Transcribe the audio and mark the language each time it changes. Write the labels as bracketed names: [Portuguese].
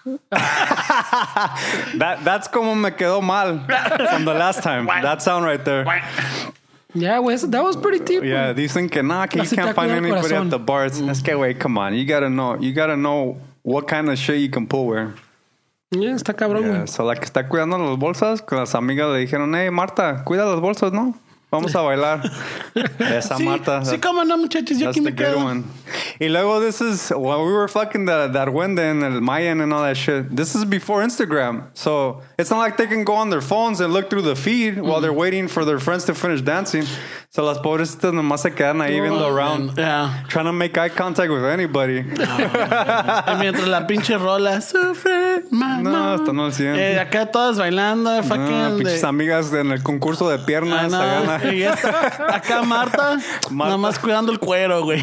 [English] that's [Spanish] como me quedó mal [English] from the last time. That sound right there. Yeah, wey, that was pretty deep. Yeah, [Spanish] dicen que [English] nah, que you can't find anybody corazón at the bar. It's mm-hmm. Que wey, come on, you gotta know what kind of shit you can pull where. [Spanish] Yeah, está cabrón. Yeah, so la que está cuidando las bolsas, con las amigas le dijeron, hey Marta, cuida las bolsas, ¿no? Vamos a bailar. Esa sí, Marta. Sí, cómo no, muchachos. Yo aquí me quedo. Y luego, [English] this is... While we were fucking the Darwende and el Mayan and all that shit, this is before Instagram. So, it's not like they can go on their phones and look through the feed mm-hmm. while they're waiting for their friends to finish dancing. [Spanish] So, las pobrecitas nomás se quedan ahí viendo around. [English] Man. Yeah. Trying to make eye contact with anybody. [Spanish] Y mientras la pinche rola sufre, mamá. No, están al 100. Acá todas bailando. Fucking pinches amigas en el concurso de piernas. Y esta, acá Marta, nada más cuidando el cuero, güey.